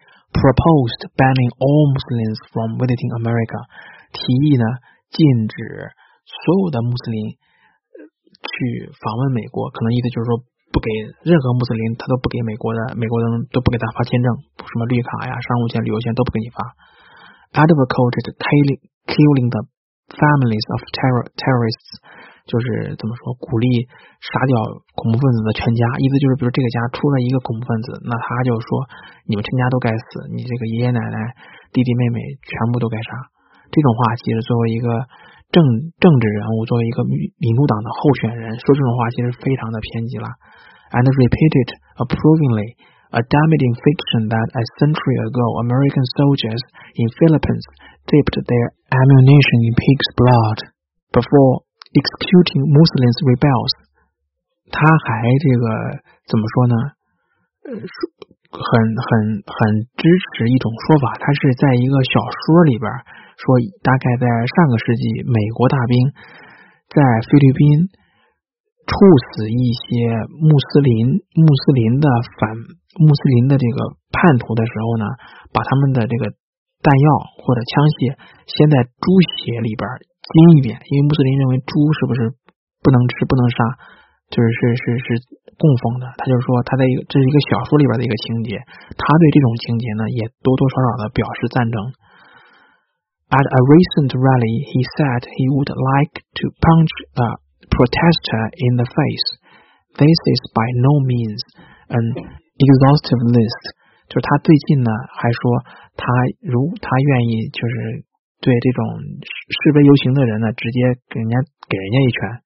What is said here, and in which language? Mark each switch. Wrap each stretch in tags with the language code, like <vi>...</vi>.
<en>Proposed banning all Muslims from visiting America,</en> <zh>提议呢禁止所有的穆斯林去访问美国，可能意思就是说不给任何穆斯林，他都不给美国人都不给他发签证，什么绿卡呀、商务签、旅游签都不给你发。</zh> <en>Advocated killing the families of terrorists,</en> <zh>就是怎么说，鼓励杀掉恐怖分子的全家，意思就是比如这个家出了一个恐怖分子，那他就说你们全家都该死，你这个爷爷奶奶弟弟妹妹全部都该杀。这种话其实作为一个政治人物，作为一个民主党的候选人说这种话其实非常的偏激了。</zh> <en>And repeated approvingly a damning fiction that a century ago American soldiers in Philippines dipped their ammunition in pig's blood before executing Muslims rebels。</en> <zh>他还这个怎么说呢，很支持一种说法，他是在一个小说里边说，大概在上个世纪美国大兵在菲律宾处死一些穆斯林的这个叛徒的时候呢，把他们的这个弹药或者枪械先在猪血里边浸一遍，因为穆斯林认为猪是不是不能吃不能杀，就是是供奉的。他就是说他在一个，这是一个小说里边的一个情节，他对这种情节呢也多多少少的表示赞成。</zh> <en>At a recent rally, he said he would like to punch a protester in the face. This is by no means an exhaustive list.</en> <zh>就是他最近呢还说他愿意就是对这种示威游行的人呢直接给人家一拳。</zh>